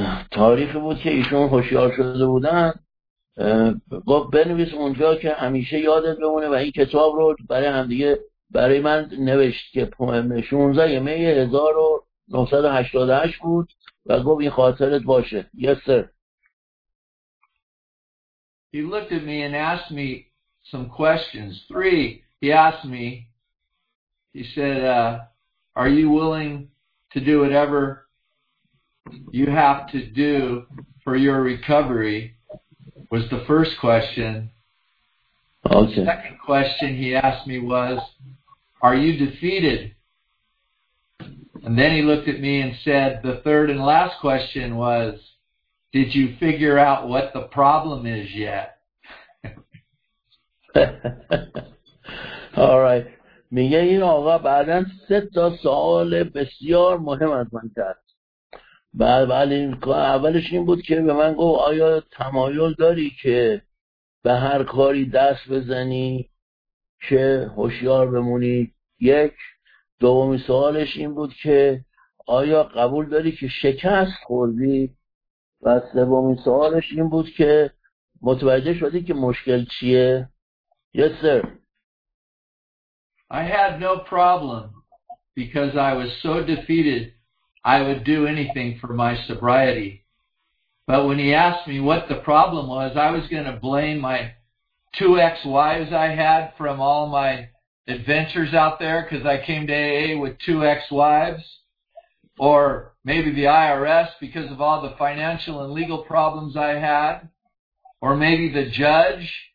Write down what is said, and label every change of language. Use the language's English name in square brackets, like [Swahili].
[Persian] تاریخ بود که ایشون هوشیار شده بودن، گفت بنویس اونجا که همیشه یادت بمونه و این کتاب رو برای هم دیگه برای من نوشت که 16 می 1988 بود و گفت این خاطرت باشه. [English] Yes sir. He looked at me and asked me some questions. Three, he asked me, he said, are you willing to do whatever you have to do for your recovery? Was the first question. Okay. The second question he asked me was, are you defeated? And then he looked at me and said, the third and last question was, did you figure out what the problem is yet? All right. [Persian] میگه این آقا بعدا 3 سوال بسیار مهم از من کرد. بله، اولش این بود که به من گفت آیا تمایل داری که به هر کاری دست بزنی که هوشیار بمونی؟ یک. دومی سوالش این بود که آیا قبول داری که شکست خوردی؟ و سومی سوالش این بود که متوجه شدی که مشکل چیه؟ [English] Yes sir. I had no problem because I was so defeated I would do anything for my sobriety. But when he asked me what the problem was, I was going to blame my 2 ex-wives I had from all my adventures out there because I came to AA with 2 ex-wives, or maybe the IRS because of all the financial and legal problems I had, or maybe the judge.